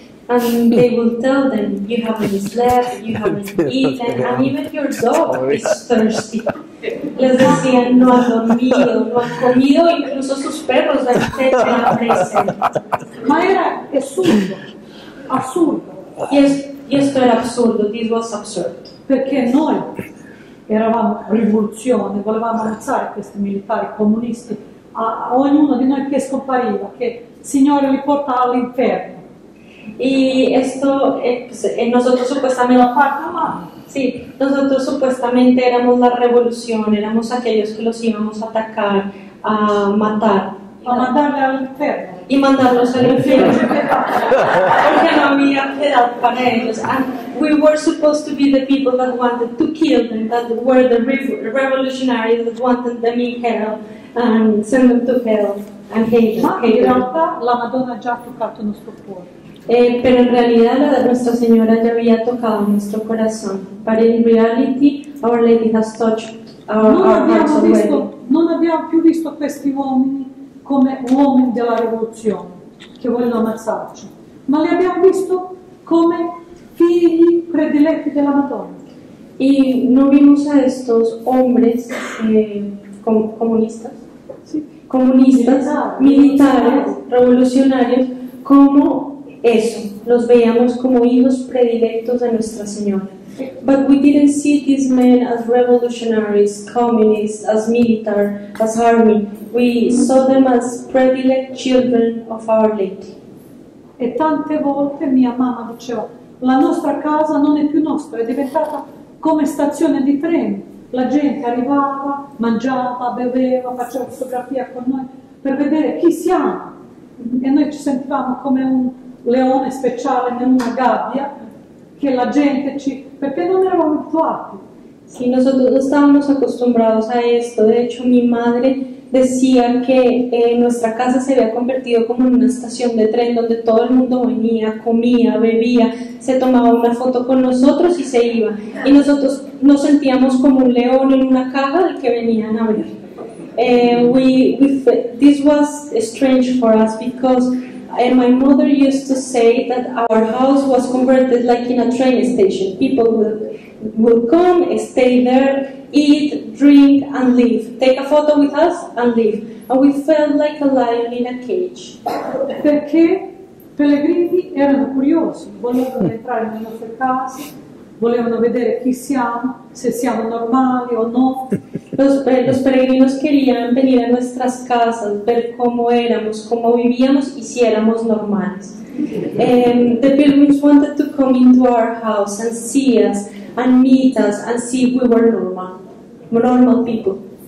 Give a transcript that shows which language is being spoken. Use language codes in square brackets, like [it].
[en] And they will tell them, you haven't slept, you haven't eaten, and even your dog is thirsty. [es] Les decían, no han dormido, no han comido, incluso sus perros la estrecha la presa. [it] Ma era absurdo. [es] Y esto era absurdo, [en] this was absurd. [it] Perché noi eravamo rivoluzione, volevamo alzare questi militari comunisti, a ognuno di noi che scompariva, che Signore li porta all'inferno. [es] Y esto, nosotros supuestamente, sí, nosotros supuestamente éramos la revolución, éramos aquellos que los íbamos a atacar, a matar. A mandarle al infierno. Y mandarlos al infierno. Porque no había piedad para ellos. [en] And we were supposed to be the people that wanted to kill them, that were the revolutionaries that wanted them in hell and send them to hell. And hate. [it] In realtà, la Madonna ha già toccato il nostro cuore. [es] Pero en realidad la de Nuestra Señora ya había tocado nuestro corazón. [en] But in reality, Our Lady has touched our hearts already. [it] Non abbiamo più visto questi uomini come uomini della rivoluzione che vogliono ammazzarci, ma li abbiamo visto come figli prediletti della Madonna. [es] Y no vimos a estos hombres comunistas, sí. Comunistas, militares, revolucionarios, como eso, los veíamos como hijos predilectos de Nuestra Señora. [en] But we didn't see these men as revolutionaries, communists, as military, as army. We saw them as predilect children of Our Lady. [it] E tante volte mia mamma diceva, la nostra casa non è più nostra, è diventata come stazione di treno. La gente arrivava, mangiava, beveva, faceva fotografia con noi per vedere chi siamo. E noi ci sentivamo come un leone speciale in una gabbia che la gente ci... perché non eravamo abituati. [es] Sì, nosotros estábamos acostumbrados a esto. De hecho, mi madre decía que nuestra casa se había convertido como en una estación de tren donde todo el mundo venía, comía, bebía, se tomaba una foto con nosotros y se iba. Y nosotros nos sentíamos como un león en una caja del que venían a ver. [en] This was strange for us because and my mother used to say that our house was converted like in a train station. People would come, stay there, eat, drink, and leave. Take a photo with us and leave. And we felt like a lion in a cage. [it] Perché pellegrini erano curiosi, volevano entrare nelle nostre case, volevano vedere chi siamo, se siamo normali o no. [es] Los peregrinos querían venir a nuestras casas, ver cómo éramos, cómo vivíamos y si éramos normales. [en] The pilgrims wanted to come into our house and see us and meet us and see if we were normal people.